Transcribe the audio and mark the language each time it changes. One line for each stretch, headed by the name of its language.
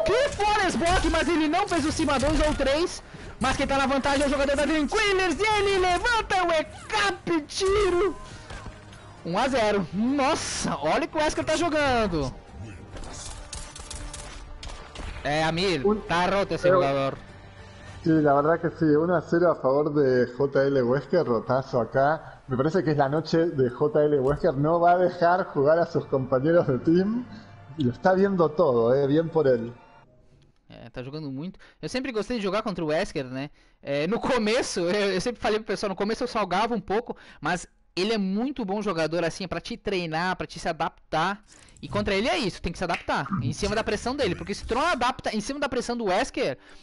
Portuguese: Que Forest Block, mas ele não fez o cima 2 ou 3. Mas quem tá na vantagem é o jogador da Dream Killers. E ele levanta o E-Cap, tiro 1-0. Nossa, olha o que o Wesker tá jogando. É, Amir, tá roto esse jogador.
Spanish: Sí, la verdad que sí, 1-0 a favor de JL Wesker, rotazo acá. Me parece que es la noche de JL Wesker, no va a dejar jugar a sus compañeros de team. Y lo está viendo todo, bien por él.
Portuguese: Tá jogando muito. Eu sempre gostei de jogar contra o Wesker, né? No começo, eu sempre falei pro pessoal, no começo eu salgava um pouco, mas ele é muito bom jogador, assim, pra te treinar, pra te se adaptar. E contra ele é isso, tem que se adaptar, em cima da pressão dele. Porque se tu não adapta em cima da pressão do Wesker...